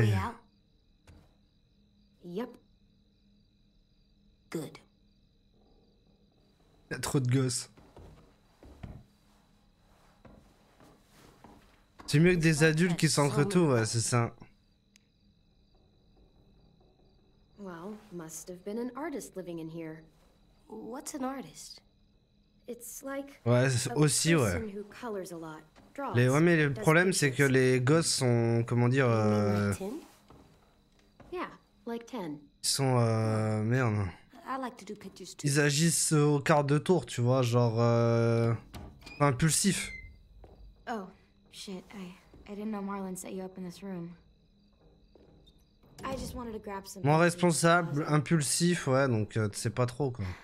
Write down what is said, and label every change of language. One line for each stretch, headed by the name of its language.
English: yeah. Yep. Good.
French: Y a trop de gosses. C'est mieux que des adultes qui s'entretouent, ouais, c'est ça.
English: Well, must have been an artist living in here. What's an artist? It's like
French: ouais, aussi, ouais.
English: Who colors a lot, draws.
French: Les, ouais, mais le problème c'est que les gosses sont, comment dire,
English: yeah, like 10.
French: Ils sont merde.
English: I like to do pictures too.
French: Ils agissent au quart de tour, tu vois, genre impulsif.
English: Oh. Shit, I didn't know Marlin set you up in this room. I just wanted to grab some.
French: Moins responsable, impulsif, ouais, donc tu sais pas trop quoi.